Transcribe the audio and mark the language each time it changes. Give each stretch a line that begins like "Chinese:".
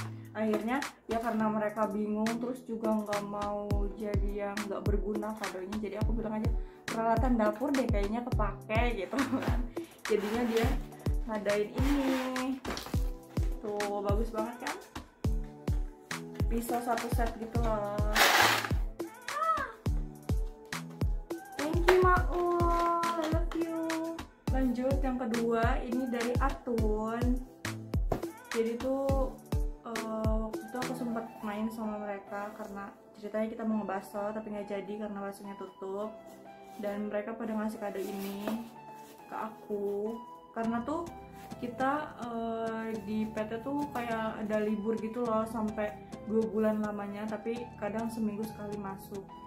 Indonesian: Akhirnya ya karena mereka bingung terus juga nggak mau jadi yang nggak berguna kadonya, jadi aku bilang aja peralatan dapur deh kayaknya kepake gitu kan. Jadinya dia ngadain ini tuh, bagus banget kan, bisa satu set gitu loh.
English: Thank you Maul, I love you.
Indonesian: Lanjut yang kedua, ini dari Atun. Jadi tuh waktu itu aku sempat main sama mereka karena ceritanya kita mau ngebaso tapi nggak jadi karena basonya tutup, dan mereka pada ngasih kado ini ke aku karena tuh kita di PT tuh kayak ada libur gitu loh sampai 2 bulan lamanya, tapi kadang seminggu sekali masuk.